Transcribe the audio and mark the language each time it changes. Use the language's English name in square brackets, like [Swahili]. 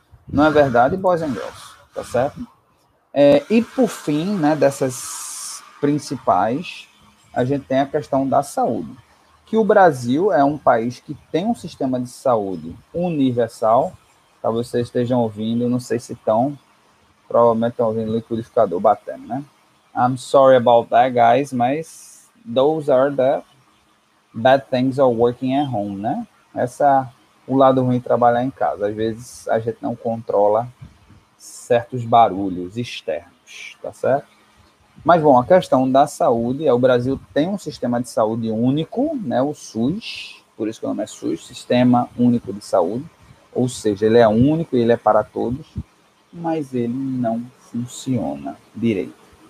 [Portuguese] Não é verdade, [English] boys and girls? [Portuguese] Tá certo? E por fim, né, dessas principais, a gente tem a questão da saúde. Que o Brasil é um país que tem um sistema de saúde universal. Talvez vocês estejam ouvindo, não sei se estão, provavelmente estão ouvindo o liquidificador batendo, né? [English] I'm sorry about that, guys, mas those are the bad things of working at home, né? [Portuguese] O lado ruim de trabalhar em casa. Às vezes a gente não controla certos barulhos externos, tá certo? Mas, bom, a questão da saúde é o Brasil tem um sistema de saúde único, né, o SUS, por isso que o nome é SUS, Sistema Único de Saúde, ou seja, ele é único e ele é para todos, mas ele não funciona direito.